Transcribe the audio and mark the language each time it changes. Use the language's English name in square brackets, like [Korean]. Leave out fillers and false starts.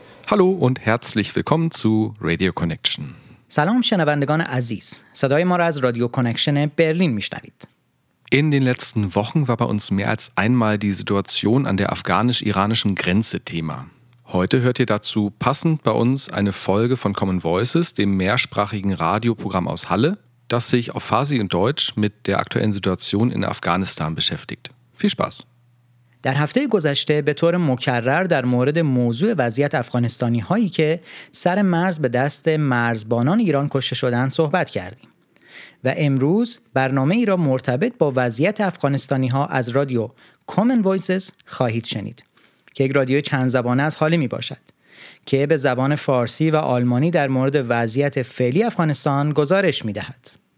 [German] Hallo und herzlich willkommen zu Radio Connection. [Persian] سلام شنوندگان عزیز. صدای ما را از رادیو کانکشن برلین میشنوید. [German] In den letzten Wochen war bei uns mehr als einmal die Situation an der afghanisch-iranischen Grenze Thema. Heute hört ihr dazu passend bei uns eine Folge von Common Voices, dem mehrsprachigen Radioprogramm aus Halle, das sich auf Farsi und Deutsch mit der aktuellen Situation in Afghanistan beschäftigt. Viel Spaß. [Persian] در هفته گذشته به طور مکرر در مورد موضوع وضعیت افغانستانی هایی که سر مرز به دست مرزبانان ایران کشته شدند صحبت کردیم و امروز برنامه ای را مرتبط با وضعیت افغانستانی ها از رادیو Common Voices خواهید شنید که یک رادیو چند زبانه از حالی می باشد که به زبان فارسی و آلمانی در مورد وضعیت فعلی افغانستان گزارش می دهد.